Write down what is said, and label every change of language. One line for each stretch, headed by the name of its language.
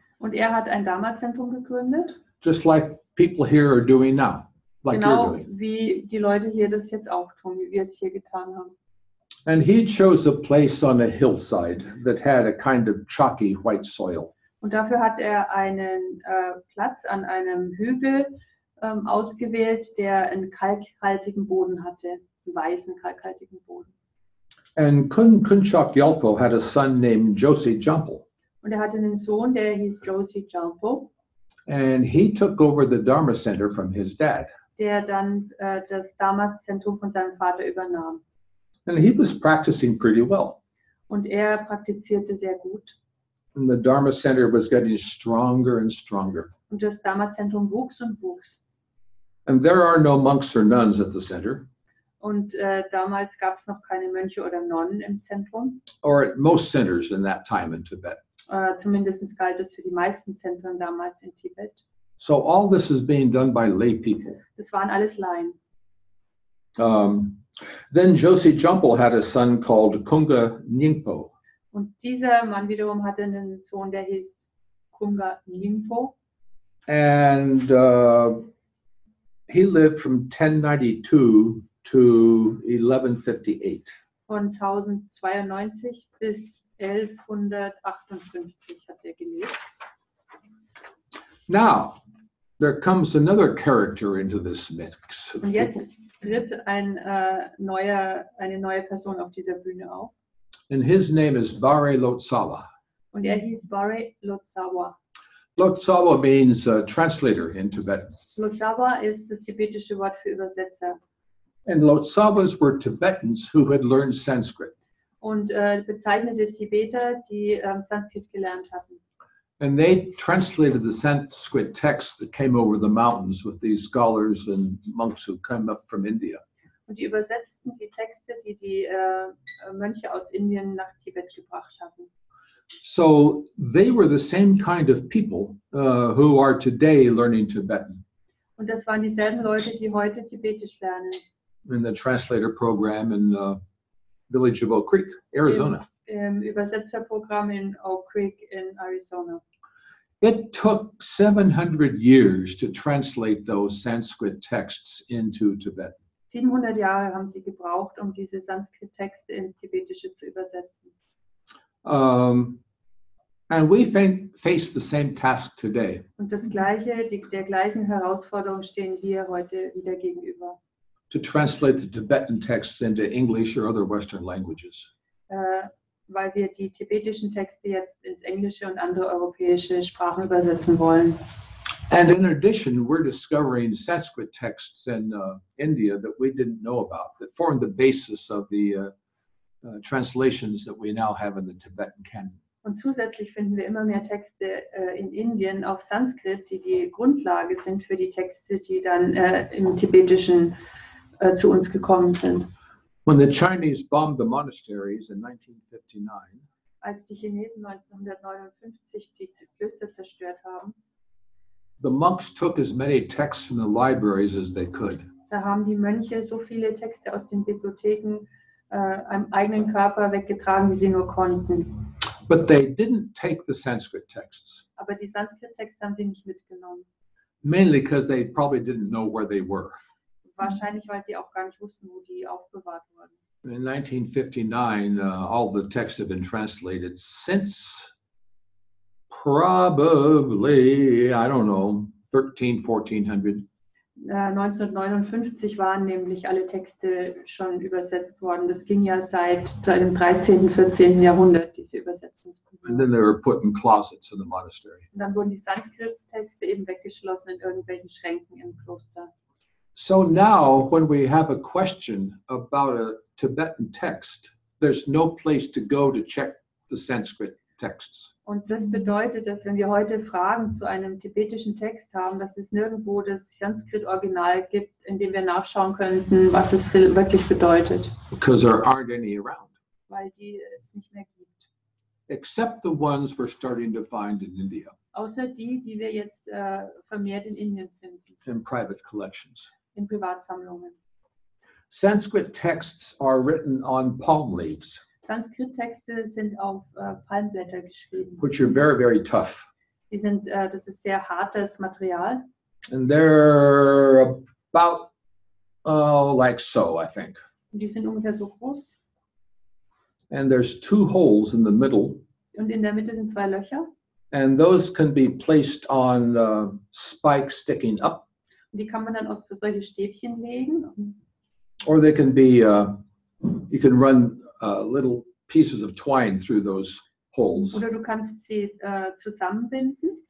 German: Und er hat ein Dharma-Zentrum gegründet.
English: Just like people here are doing now. Like
German: genau
English: you're doing.
German: Wie die Leute hier das jetzt auch tun, wie wir es hier getan haben.
English: And he chose a place on a hillside that had a kind of chalky white soil.
German: Und dafür hat er einen Platz an einem Hügel ausgewählt, der einen kalkhaltigen Boden hatte, einen weißen kalkhaltigen Boden.
English: And Khunchok Gyalpo had a son named Josie Jampo.
German: Und er hatte einen Sohn, der hieß Josie Jampo.
English: And he took over the Dharma Center from his dad.
German: Der dann das Dharma-Zentrum von seinem Vater übernahm.
English: And he was practicing pretty well.
German: Und er praktizierte sehr gut.
English: And the Dharma Center was getting stronger and stronger.
German: Und das Dharma-Zentrum wuchs und wuchs.
English: And there are no monks or nuns at the center.
German: Und damals gab es noch keine Mönche oder Nonnen im Zentrum.
English: Or at most centers in that time in Tibet.
German: Zumindest galt das für die meisten Zentren damals in Tibet.
English: So all this is being done by lay people.
German: Das waren alles Laien.
English: Then Josie Jumple had a son called Kunga Nyingpo.
German: Und dieser Mann wiederum hatte einen Sohn, der hieß Kunga Nyingpo.
English: And he lived from 1092 to 1158.
German: Von 1092 bis 1158 hat er gelebt.
English: Now, there comes another character into this mix.
German: Und jetzt tritt eine neue Person auf dieser Bühne auf.
English: And his name is Bare Lhotsawa.
German: Und er hieß Bare Lhotsawa.
English: Lhotsawa means translator in Tibetan.
German: Lhotsawa ist das tibetische Wort für Übersetzer.
English: And Lhotsawas were Tibetans who had learned Sanskrit.
German: Und bezeichnete Tibeter, die Sanskrit gelernt hatten.
English: And they translated the Sanskrit text that came over the mountains with these scholars and monks who came up from India.
German: Und die übersetzten die Texte, die die Mönche aus Indien nach Tibet gebracht hatten.
English: So they were the same kind of people who are today learning Tibetan.
German: Und das waren dieselben Leute, die heute Tibetisch lernen.
English: In the translator program in the village of Oak Creek, Arizona.
German: Im Übersetzerprogramm in Oak Creek in Arizona.
English: It took 700 years to translate those Sanskrit texts into Tibetan.
German: 700 Jahre haben sie gebraucht, um diese Sanskrit-Texte ins Tibetische zu übersetzen.
English: And we face the same task today.
German: Und das gleiche, der gleichen Herausforderung stehen wir heute wieder gegenüber.
English: To translate the Tibetan texts into English or other Western languages.
German: Weil wir die tibetischen Texte jetzt ins Englische und andere europäische Sprachen übersetzen wollen.
English: And in addition, we're discovering Sanskrit texts in India that we didn't know about, that form the basis of the translations that we now have in the Tibetan canon.
German: Und zusätzlich finden wir immer mehr Texte in Indien auf Sanskrit, die die Grundlage sind für die Texte, die dann im Tibetischen zu uns gekommen sind.
English: When the Chinese bombed the monasteries in 1959,
German: als die Chinesen 1959 die Klöster zerstört haben,
English: the monks took as many texts from the libraries as they could.
German: Da haben die Mönche so viele Texte aus den Bibliotheken am eigenen Körper weggetragen, wie sie nur konnten.
English: But they didn't take the Sanskrit texts.
German: Aber die Sanskrit-Texte haben sie nicht mitgenommen.
English: Mainly because they probably didn't know where they were.
German: Wahrscheinlich, weil sie auch gar nicht wussten, wo die aufbewahrt wurden.
English: In 1959, all the texts have been translated since probably, I don't know, 1400.
German: 1959 waren nämlich alle Texte schon übersetzt worden. Das ging ja seit dem 13., 14. Jahrhundert, diese Übersetzungsprobleme.
English: And then they were put in closets in the monastery.
German: Und dann wurden die Sanskrit-Texte eben weggeschlossen in irgendwelchen Schränken im Kloster.
English: So now, when we have a question about a Tibetan text, there's no place to go to check the Sanskrit texts.
German: Und das bedeutet, dass wenn wir heute Fragen zu einem tibetischen Text haben, dass es nirgendwo das Sanskrit-Original gibt, in dem wir nachschauen könnten, was es wirklich bedeutet.
English: Because there aren't any around.
German: Weil die es nicht mehr gibt.
English: Except the ones we're starting to find in India.
German: Außer die, die wir jetzt vermehrt in Indien finden.
English: In private collections.
German: In Privatsammlungen.
English: Sanskrit texts are written on palm leaves.
German: Sanskrit-Texte sind auf Palmblätter geschrieben.
English: Which are very, very tough.
German: Die sind, das ist sehr hartes Material.
English: And they're about like so, I think.
German: Und die sind ungefähr so groß.
English: And there's two holes in the middle.
German: Und in der Mitte sind zwei Löcher.
English: And those can be placed on spikes sticking up.
German: Und die kann man dann auf solche Stäbchen legen.
English: Or they can be, you can run little pieces of twine through those holes.
German: Oder du kannst sie zusammenbinden.